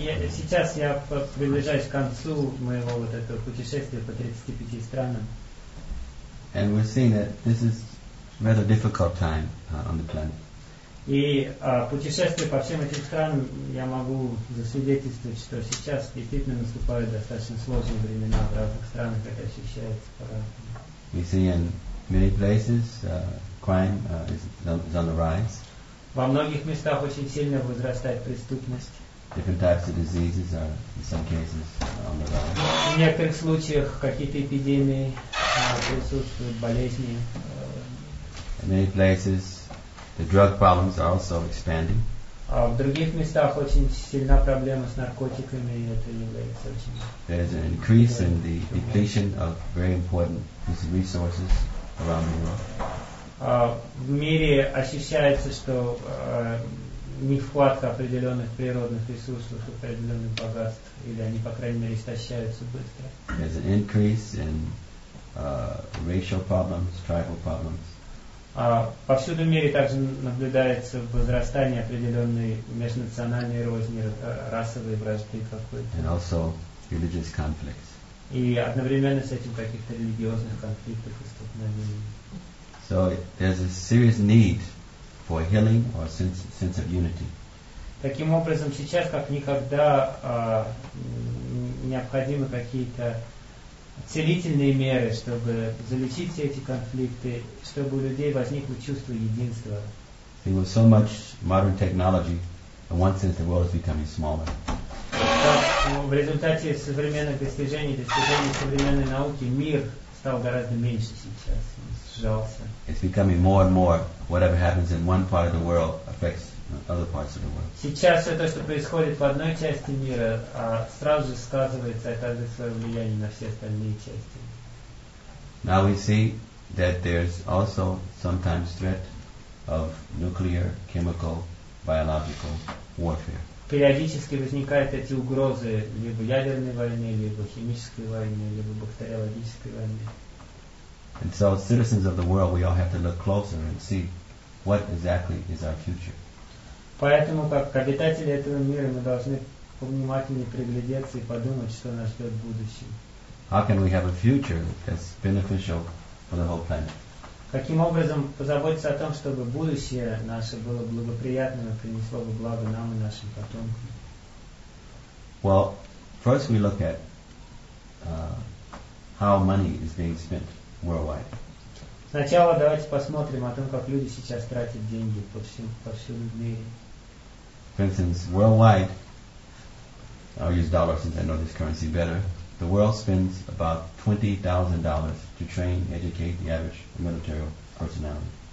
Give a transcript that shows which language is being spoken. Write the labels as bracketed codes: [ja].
[ru] Сейчас я приближаюсь к концу моего вот этого путешествия по 35 странам. [en] And we're seeing that this is rather difficult time on the planet. [ru] И путешествие по всем этим странам, я могу засвидетельствовать, что сейчас действительно наступают достаточно сложные времена в разных странах, как ощущается по-разному. [en] We see in many places crime is on the rise. [ru] Во многих местах очень сильно возрастает преступность. [en] Different types of diseases are in some cases on the rise. [ru] В некоторых случаях какие-то эпидемии присутствуют, болезни. [en] In many places the drug problems are also expanding. [ru] А в других местах очень сильна проблема с наркотиками, и это является очень. [en] There's an increase in the depletion of very important resources around the world. [ru] В мире ощущается, что нехватка определенных природных ресурсов, определенных богатств, или они, по крайней мере, истощаются быстро. [en] There's an increase in racial problems, tribal problems. [ru] Повсюду в мире также наблюдается возрастание определенной межнациональной розни, расовой вражды какой-то. [en] And also religious conflicts. [ru] И одновременно с этим каких-то религиозных конфликтов и столкновений. [en] So there's a serious need for healing or sense of unity. [ru] Таким образом, сейчас как никогда необходимы какие-то целительные меры, чтобы залечить все эти конфликты, чтобы у людей возникло чувство единства. [en] There was so much modern technology, in one sense the world is becoming smaller. [ru] В результате современных достижений современной науки мир стал гораздо меньше сейчас. [en] It's becoming more and more whatever happens in one part of the world affects other parts of the world. [ru] Сейчас все то, что происходит в одной части мира, сразу же сказывается и также свое влияние на все остальные части. [en] Now we see that there's also sometimes threat of nuclear, chemical, biological warfare. [ru] Периодически возникают эти угрозы либо ядерной войны, либо химической войны, либо бактериологической войны. [en] And so, citizens of the world, we all have to look closer and see what exactly is our future. [ru] Поэтому как обитатели этого мира мы должны повнимательнее приглядеться и подумать, что нас ждет в будущем. [en] How can we have a future that's beneficial for the whole planet? [ru] Каким образом позаботиться о том, чтобы будущее наше было благоприятным и принесло бы благо нам и нашим потомкам? [en] Well, first we look at how money is being spent worldwide. [ru] Сначала давайте посмотрим о том, как люди сейчас тратят деньги повсюду в мире. [en] For instance, worldwide, I'll use dollars since I know this currency better. The world spends about $20,000 to train, educate the average military personality.